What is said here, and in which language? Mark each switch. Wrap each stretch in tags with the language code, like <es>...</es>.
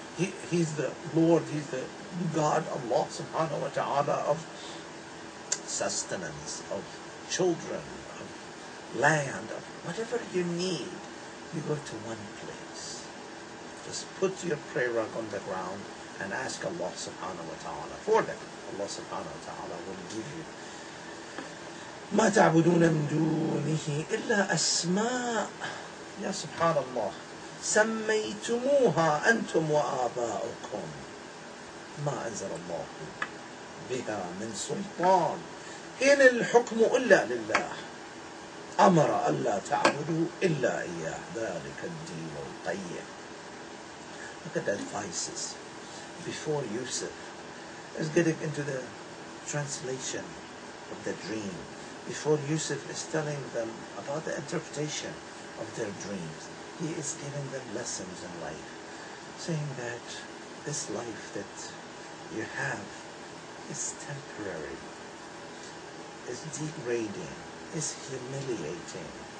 <en>He's the Lord. He's the God, Allah subhanahu wa ta'ala, of sustenance, of children, of land, of whatever you need. You go to one place. Just put your prayer rug on the ground and ask Allah subhanahu wa ta'ala for that. Allah subhanahu wa ta'ala will give you.</en> <ar>ما تعبدون من دونه إلا أسماء يا سبحان الله سميتموها أنتم وآباؤكم ما أنزل الله بها من سلطان إن الحكم إلا لله أمر ألا تعبدوا إلا إياه ذلك الدين القيم.</ar> <en>Look at the advices before Yusuf is getting into the translation of the dream. Before Yusuf is telling them about the interpretation of their dreams, he is giving them lessons in life, saying that this life that you have is temporary, is degrading, is humiliating.</en>